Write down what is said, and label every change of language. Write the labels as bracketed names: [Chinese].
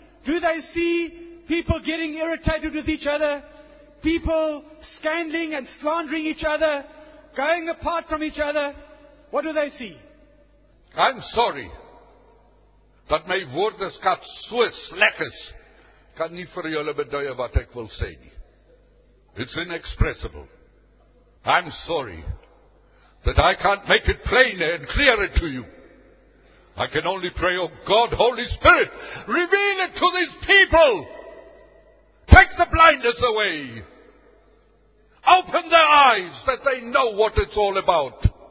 [English] Do they see people getting irritated with each other? People scandaling and slandering each other? Going apart from each other? What do they see? I'm sorry, but my word has got Swiss letters. [Afrikaans] Kan nie vir julle bedui wat ek wil sê nie. [English] It's inexpressible. I'm sorry that I can't make it plainer and clearer to you. I can only pray, oh God, Holy Spirit, reveal it to these people. Take the blinders away. Open their eyes that they know what it's all about.